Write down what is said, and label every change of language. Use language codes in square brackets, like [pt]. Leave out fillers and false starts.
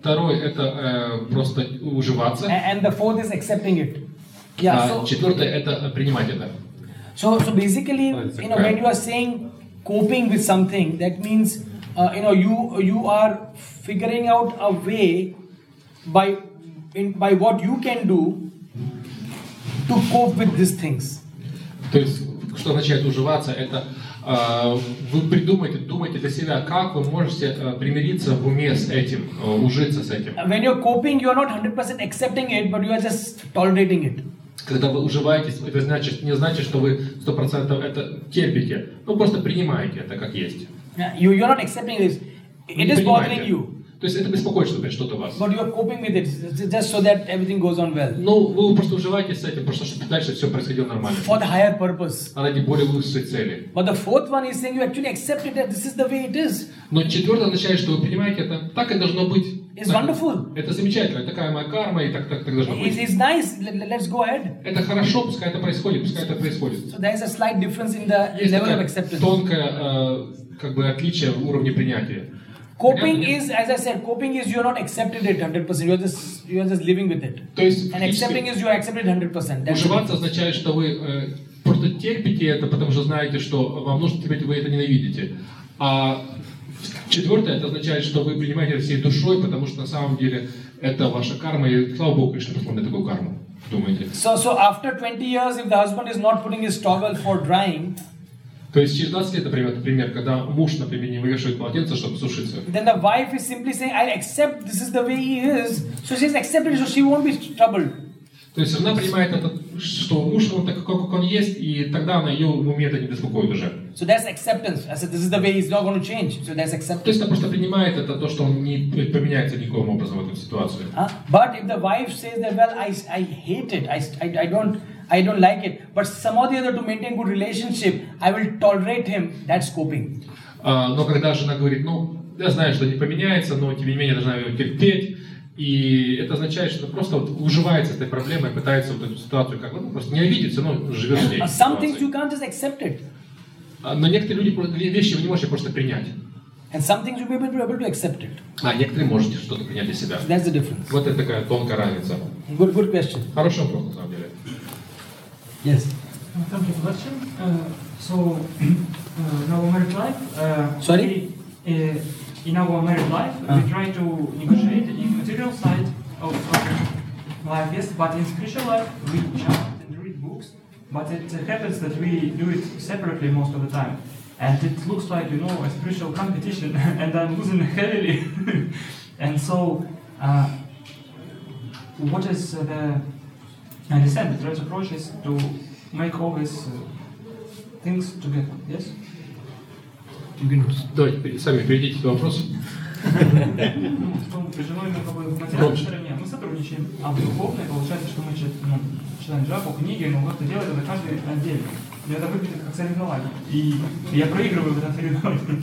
[ru] Второе это просто уживаться. [en] And the fourth is accepting it. Yeah, so [ru] четвёртое это принимать это. [en] So basically, you know, when you are saying coping with something, that means you know, you are figuring out a way by what you can do to cope with these things. [ru] То есть что означает уживаться это вы придумаете, думаете для себя, как вы можете примириться в уме с этим, ужиться с этим. [en] When you're coping, you're not 100% accepting it, but you are just tolerating it. [ru] Когда вы уживаетесь, это значит, не значит, что вы 100% это терпите, но просто принимаете это как есть. [en] You're not accepting this. It is bothering you. [ru] То есть это беспокоит, например, что-то у вас. [en] But you are coping with it just so that everything goes on well. [ru] Ну, вы просто уживаетесь с этим, просто чтобы дальше все происходило нормально. [en] For the higher purpose. [ru] А ради более высшей цели. [en] But the fourth one is saying you actually accept it that this is the way it is. [ru] Но четвертое означает, что вы понимаете это, так и должно быть. [en] It's wonderful. [ru] Это замечательно, такая моя карма и так должно быть. [en] It's nice. Let's go ahead. [ru] Это хорошо, пускай это происходит. [en] So there is a slight difference in the level of acceptance. [ru] Тонкое, как бы отличие в уровне принятия. [en] Coping is, as I said, coping is you're not accepted it 100%. You're just living with it. And accepting is you accept it 100%. [ru] Уживаться означает, что вы просто терпите это, потому что знаете, что вам нужно терпеть, вы это ненавидите. А четвертое, это означает, что вы принимаете это всей душой, потому что на самом деле это ваша карма, и слава Богу, что пришло мне такую карму. Думаете? [en] So after 20 years, if the husband is not putting his towel for drying, [ru] то есть через 20 лет, например, когда муж, например, не вывешивает полотенце, чтобы сушиться. [en] Then the wife is simply saying, I accept this is the way he is. So she's accepted, so she won't be troubled. [ru] То есть она понимает, это, что муж он такой, как он есть, и тогда она ее умеет это не беспокоит уже. [en] So that's acceptance. I said, this is the way he's not going to change. So that's acceptance. [ru] То есть она просто принимает это, то, что он не поменяется никаким образом в этой ситуации. [en] But if the wife says that, well, I hate it, I don't like it, but some or the other to maintain good relationship, I will tolerate him, that's coping. [ru] Но когда жена говорит, ну, я знаю, что не поменяется, но тем не менее должна его терпеть, и это означает, что просто вот уживается с этой проблемой, пытается вот эту ситуацию как бы, ну, просто не обидеться, но живет в ней. [en] Some things you can't just accept it. [ru] Но некоторые люди, вещи вы не можете просто принять. [en] And some things you may be able to accept it. [ru] А некоторые можете что-то принять для себя. [en] That's the difference. [ru] Вот это такая тонкая разница. [en] Good question. [ru] Хороший вопрос, на самом деле. [en] Yes. Thank you for watching. Our married life. Sorry. In our married life, we try to negotiate in material side of life. Yes, but in spiritual life, we chant and read books. But it happens that we do it separately most of the time, and it looks like a spiritual competition, and I'm losing heavily. And so, what is the? I understand the right approach is to make all these things together, yes? You can... [ru] Давайте сами перейдите этот вопрос. При женой мы в материальной стороне мы сотрудничаем, а в духовной получается, что мы читаем джапу, книги, но вот это делаем на каждый отдельно. И это выглядит как соревнование. И я проигрываю в этом соревновании.